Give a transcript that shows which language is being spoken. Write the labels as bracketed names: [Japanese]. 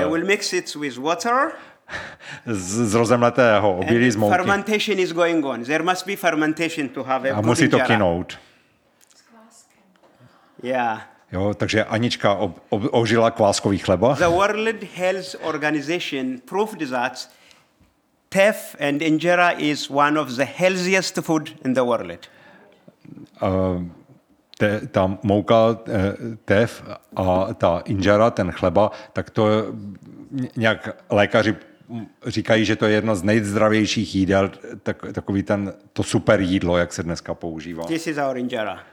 [English] I will mix it with water. [Czech] Z rozemletého obilí z mouky. [English] Fermentation is going on. There must be fermentation to have a [Czech] a musí to kynout. Yeah. Jo, takže Anička ožila kváskový chleba. [English] The World Health Organization proved that teff and injera is one of the healthiest food in the world. [Czech] Ta mouka teff a ta injera, ten chleba, tak to nějak lékaři říkají, že to je jedno z nejzdravějších jídel, takový ten to super jídlo, jak se dneska používá. [English] This is our injera.